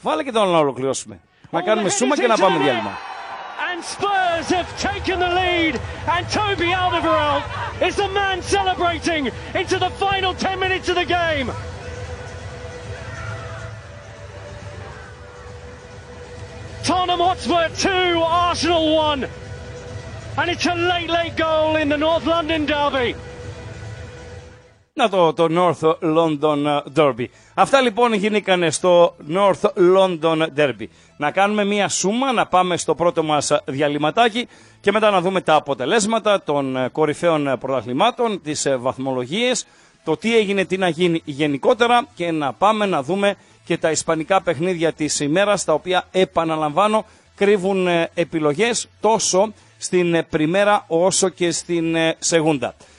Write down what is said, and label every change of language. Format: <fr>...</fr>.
<el>Βάλε και το άλλο να ολοκληρώσουμε. Να κάνουμε σούμα και να πάμε διάλειμμα.</el> <en>And Spurs have taken the lead and Toby Alderweireld is the man celebrating into the final 10 minutes of the game. Tottenham Hotspur 2, Arsenal 1. And it's a late goal in the North London derby.</en> <el>Να το North London Derby. Αυτά λοιπόν γίνηκανε στο North London Derby. Να κάνουμε μία σούμα, να πάμε στο πρώτο μας διαλυματάκι και μετά να δούμε τα αποτελέσματα των κορυφαίων πρωταθλημάτων, τις βαθμολογίες, το τι έγινε, τι να γίνει γενικότερα και να πάμε να δούμε και τα ισπανικά παιχνίδια της ημέρας, τα οποία επαναλαμβάνω κρύβουν επιλογές τόσο στην Πριμέρα όσο και στην Σεγούντα.</el>